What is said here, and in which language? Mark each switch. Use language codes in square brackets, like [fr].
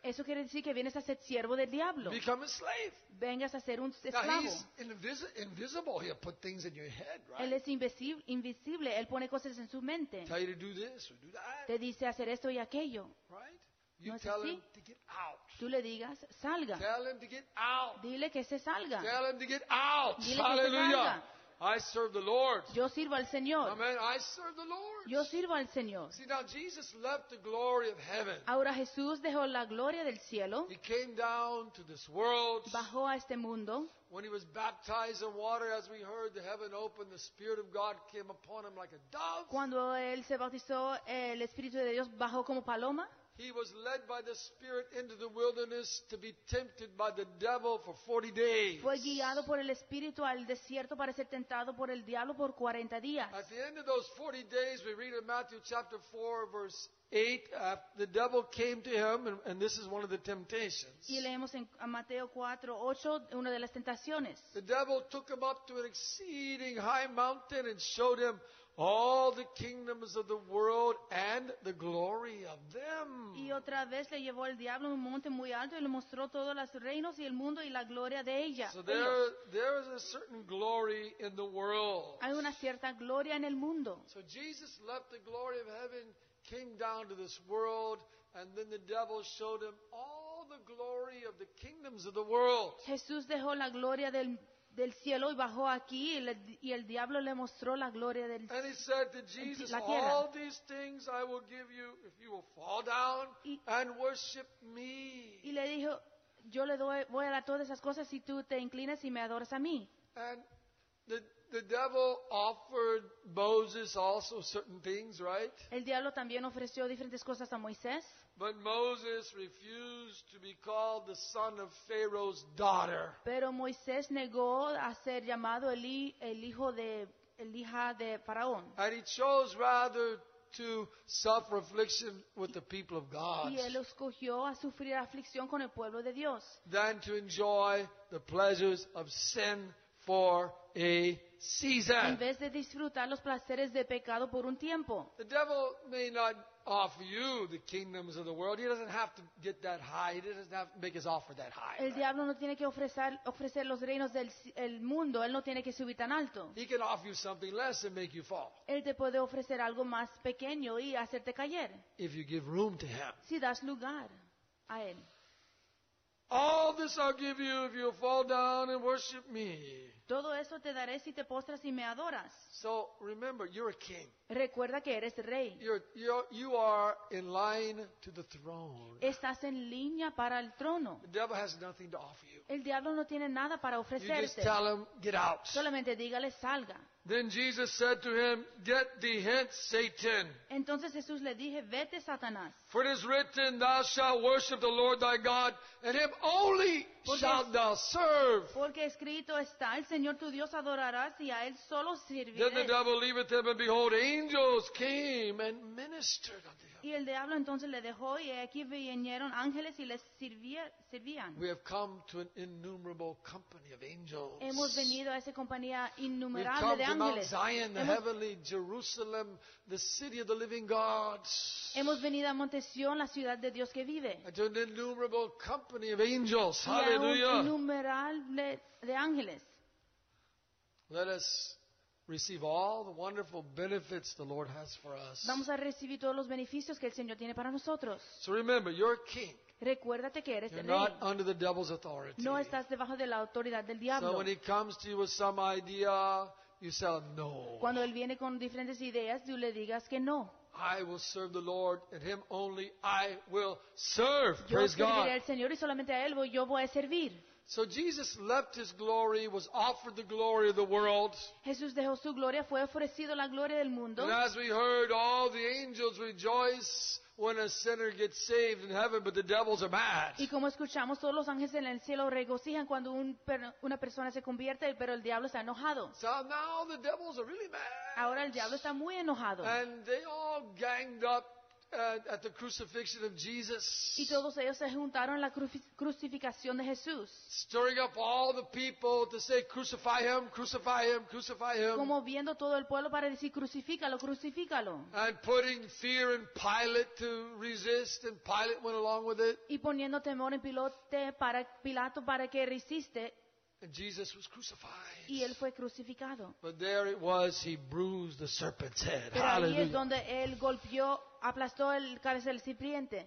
[es] Eso quiere decir que vienes a ser siervo del diablo. [en] Become a slave. [es] Vengas a ser un esclavo. [en] Now he's invisible. He'll put things in your head, right? [es] Él es invisible. Él pone cosas en su mente. [en] Tell you to do this or do that. [es] Te dice hacer esto y aquello. [en] Right? You tell him to get out. [es] Tú le digas, salga. [en] Tell him to get out. [es] Dile que se salga. [en] Tell him to get out. [es] Dile [en] Hallelujah. [es] Que se salga. [en] I serve the Lord. [es] Yo sirvo al Señor. [en] Amen. I serve the Lord. [es] Yo sirvo al Señor. [en] See, now Jesus left the glory of heaven. [es] Ahora Jesús dejó la gloria del cielo. [en] He came down to this world. [es] Bajó a este mundo. [en] When he was baptized in water, as we heard, the heaven opened, the Spirit of God came upon him like a dove. [es] Cuando él se bautizó, el Espíritu de Dios bajó como paloma. [en] He was led by the Spirit into the wilderness to be tempted by the devil for 40 days. [es] Fue guiado por el Espíritu al desierto para ser tentado por el diablo por 40 días. [en] At the end of those 40 days, we read in Matthew chapter 4, verse 8, the devil came to him, and this is one of the temptations. [es] Y leemos en Mateo 4, 8, una de las tentaciones. [en] The devil took him up to an exceeding high mountain and showed him all the kingdoms of the world and the glory of them. [es] Y otra vez le llevó el diablo a un monte muy alto y le mostró todos los reinos y el mundo y la gloria de ella. [en] So there is a certain glory in the world. [es] Hay una cierta gloria en el mundo. [en] So Jesus left the glory of heaven, came down to this world, and then the devil showed him all the glory of the kingdoms of the world. [es] Jesús dejó la gloria del del cielo y bajó aquí y el diablo le mostró la gloria del cielo. [en] And he said to Jesus, all these things I will give you if you will fall down and worship me. [es] Y le dijo, yo le doy, voy a dar todas esas cosas si tú te inclinas y me adoras a mí. [en] And the devil offered Moses also certain things, right? [es] El diablo también ofreció diferentes cosas a Moisés. [en] But Moses refused to be called the son of Pharaoh's daughter. [es] Pero Moisés negó a ser llamado el hijo de el hija de Faraón. [en] And he chose rather to suffer affliction with the people of God. [es] Y él escogió a sufrir aflicción con el pueblo de Dios. [en] Than to enjoy the pleasures of sin for a season. [es] En vez de disfrutar los placeres de pecado por un tiempo. [en] The devil may not offer you the kingdoms of the world. He doesn't have to get that high. He doesn't have to make his offer that high. [es] El diablo no tiene que ofrecer los reinos del el mundo. Él no tiene que subir tan alto. [en] He can offer you something less and make you fall. [es] Él te puede ofrecer algo más pequeño y hacerte caer. [en] If you give room to him. [es] Si das lugar a él. [en] All this I'll give you if you'll fall down and worship me. [es] Todo eso te daré si te postras y me adoras. [en] So remember, you're a king. [es] Recuerda que eres rey. [en] You are in line to the throne. [es] Estás en línea para el trono. [en] The devil has nothing to offer you. [es] El diablo no tiene nada para ofrecerte. [en] You just tell him, get out. [es] Solamente dígale, salga. [en] Then Jesus said to him, get thee hence, Satan. [es] Entonces Jesús le dije, vete, Satanás. [en] For it is written, thou shalt worship the Lord thy God, and him only shalt thou serve. [es] Porque escrito está, el Señor tu Dios adorarás, y a él solo servirás. [en] Then the devil leaveth him, and behold, angels came and ministered unto him. [es] Y el diablo entonces le dejó, y aquí vinieron ángeles y les servían. [en] We have come to an innumerable company of angels. [es] Hemos venido a esa compañía innumerable. [en] We've come to Mount Zion, the heavenly Jerusalem, the city of the living God. [es] Hemos venido a Monte Sion, la ciudad de Dios que vive. [en] To an innumerable company of angels. Hallelujah. [es] Innumerable de ángeles. [en] Let us receive all the wonderful benefits the Lord has for us. [es] Vamos a recibir todos los beneficios que el Señor tiene para nosotros. [en] So remember, you're a king. [es] Recuérdate que eres [en] you're [es] rey. [en] Not under the devil's authority. [es] No estás debajo de la autoridad del diablo. [en] So when he comes to you with some idea, you say no. [es] Cuando él viene con diferentes ideas, tú le digas que no. [en] I will serve the Lord and him only I will serve. [es] Yo [en] praise God. [es] Serviré al Señor y solamente a él yo voy a servir. [en] So Jesus left his glory, was offered the glory of the world. [es] Jesús dejó su gloria, fue ofrecido la gloria del mundo. [en] And as we heard, all the angels rejoice when a sinner gets saved in heaven, but the devils are mad. [es] Y como escuchamos, todos los ángeles en el cielo regocijan cuando una persona se convierte, pero el diablo está enojado. [en] So now the devils are really mad. [es] Ahora el diablo está muy enojado. [en] And they all ganged up at the crucifixion of Jesus. [es] Y todos ellos se juntaron en la crucificación de Jesús. [en] Stirring up all the people to say, crucify him, crucify him, crucify him. [es] Como viendo todo el pueblo para decir, crucifícalo, crucifícalo. [en] And putting fear in Pilate to resist, and Pilate went along with it. [es] Y poniendo temor en Pilato para que resiste. [en] And Jesus was crucified. [es] Y él fue crucificado. [en] But there it was, he bruised the serpent's head. [es] Pero [en] hallelujah. [es] Ahí es donde él golpeó, aplastó el cabeza del serpiente.